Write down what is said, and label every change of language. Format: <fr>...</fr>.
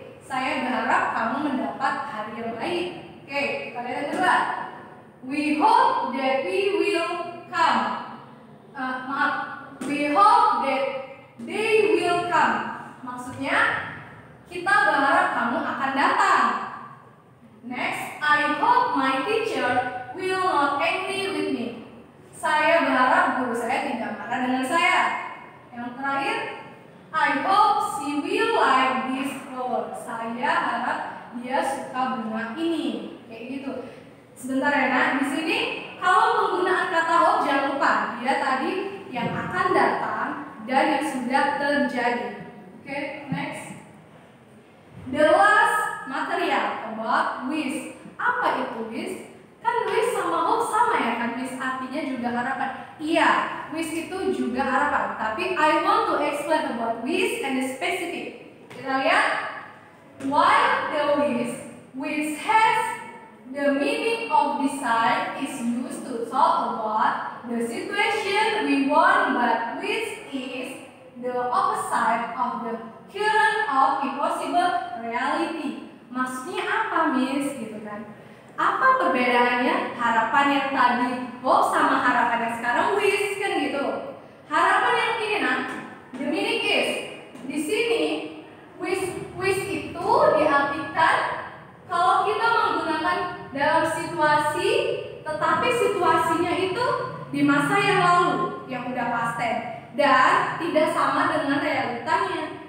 <id>Saya berharap kamu mendapat hari yang baik. Oke, kita lihat yang kedua.</id> <en>We hope that we will come. Maaf, we hope that they will come.</en> <id>Maksudnya, kita berharap kamu akan datang.</id> <en>Next, I hope my teacher will not angry with me.</en> <id>Saya berharap guru saya tidak marah dengan saya. Yang terakhir,</id> <en>I hope she will like this flower.</en> <id>Saya harap dia suka bunga ini. Kayak gitu. Sebentar ya, nah, di sini kalau menggunakan kata hope, jangan lupa dia tadi yang akan datang dan yang sudah terjadi. Oke, next.</id> <en>The last material about wish.</en> <id>Apa itu wish? Kan wish sama hope sama ya kan? Wish artinya juga harapan. Iya, wish itu juga harapan.</id> <en>Tapi I want to explain about wish and the specific.</en> <id>Kita lihat.</id> <en>Why the wish? Wish has the meaning of desire is used to talk about the situation we want, but which is the opposite of the current of impossible reality.</en> <id>Maksudnya apa, Miss? Gitu kan? Apa perbedaannya harapan yang tadi hope sama harapan yang sekarang wish kan gitu? Harapan yang ini, nah,</id> <en>the meaning is</en> <id>di sini wish itu diartikan kalau kita menggunakan dalam situasi, tetapi situasinya itu di masa yang lalu, yang udah past tense, dan tidak sama dengan realitanya.</id>